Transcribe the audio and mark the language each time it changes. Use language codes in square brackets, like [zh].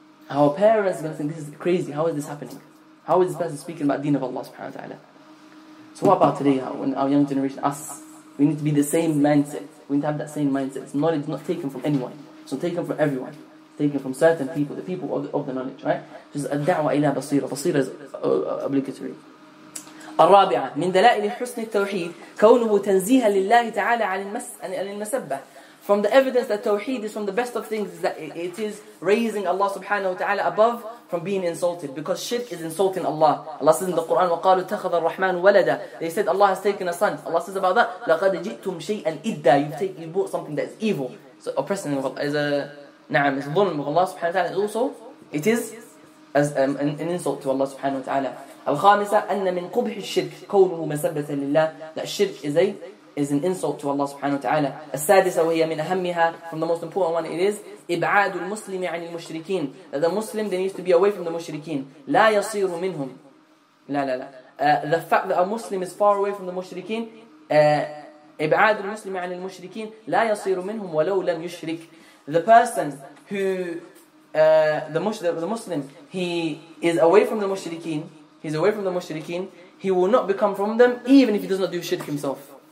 [en] Our parents are going to think, this is crazy, how is this happening? How is this person speaking about the deen of Allah subhanahu wa ta'ala? So what about today, when our young generation, us, we need to be the same mindset. We need to have that same mindset. Knowledge is not taken from anyone. It's not taken from everyone. It's taken from certain people, the people of the knowledge, right? Just a da'wah ila basira. Basira is obligatory. [ar] الرابعة من دلائل حسن التوحيد كونه تنزيها لله تعالى عن المسبة. [en] From the evidence that tawheed is from the best of things is that it is raising Allah subhanahu wa ta'ala above from being insulted. Because shirk is insulting Allah. Allah says in the Quran, وَقَالُوا اتَّخَذَ الرَّحْمَنُ وَلَدًا. They said Allah has taken a son. Allah says about that, لَقَدْ جِئْتُمْ شَيْئًا إِدَّا. You bought something that is evil. So oppressing is a, نعم, is ظلم of Allah subhanahu wa ta'ala. Also, it is as an insult to Allah subhanahu wa ta'ala. [ar] الخامسة أن من قبح الشرك كونه مسبة لله. [en] That shirk is an insult to Allah subhanahu wa ta'ala. [ar] السادسة وهي من أهمها, from the most important one, it is إبعاد المسلم عن المشركين. [en] That the Muslim, they need to be away from the مشركين. لا يصير منهم. [ar] لا لا لا. The fact that a Muslim is far away from the مشركين, إبعاد المسلم عن المشركين لا يصير منهم ولو لم يشرك. [en] The person who the Muslim, he is away from the مشركين, he's away from the mushrikeen, he will not become from them even if he does not do shirk himself.